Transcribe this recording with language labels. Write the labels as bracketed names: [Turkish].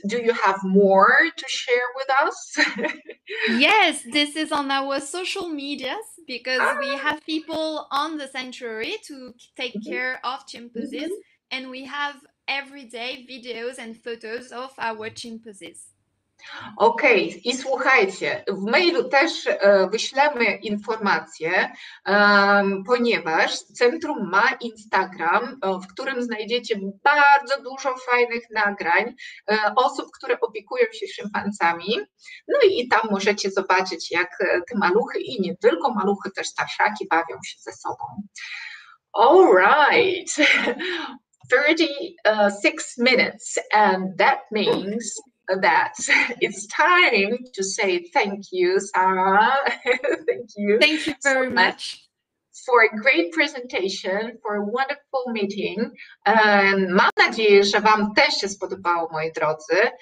[English] Do you have more to share with us? Yes, this is on our social medias because we have people on the sanctuary to take care of chimpanzees, and we have every day videos and photos of our chimpanzees. [Polish] Okej, okay. I słuchajcie, w mailu też wyślemy informacje, ponieważ centrum ma Instagram, w którym znajdziecie bardzo dużo fajnych nagrań osób, które opiekują się szympansami. No i tam możecie zobaczyć, jak te maluchy i nie tylko maluchy, też starszaki bawią się ze sobą. [English] All right, 36 minutes, and that means that it's time to say thank you, Sarah. Thank you. Thank you very much. for a great presentation, for a wonderful meeting. [Polish] Mam nadzieję, że Wam też się spodobało, moi drodzy.